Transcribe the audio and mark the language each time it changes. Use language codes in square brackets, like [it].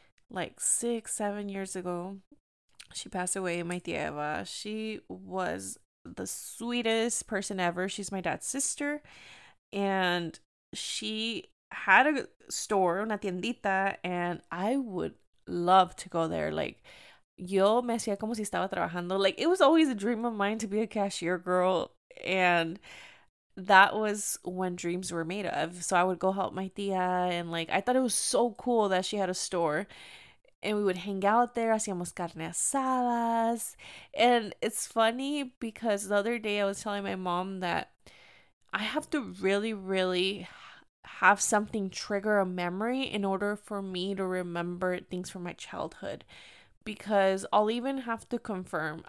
[en] Like 6-7 years ago, she passed away, my tia Eva. She was the sweetest person ever. She's my dad's sister. And she had a store, [es] una tiendita, [en] and I would love to go there. [es] Like, yo me hacía como si estaba trabajando. [en] Like, it was always a dream of mine to be a cashier girl, and that was when dreams were made of. So I would go help my tia, and like, I thought it was so cool that she had a store, and we would hang out there, [es] hacíamos carne asadas. [en] And it's funny because the other day I was telling my mom that I have to really, really have something trigger a memory in order for me to remember things from my childhood, because I'll even have to confirm.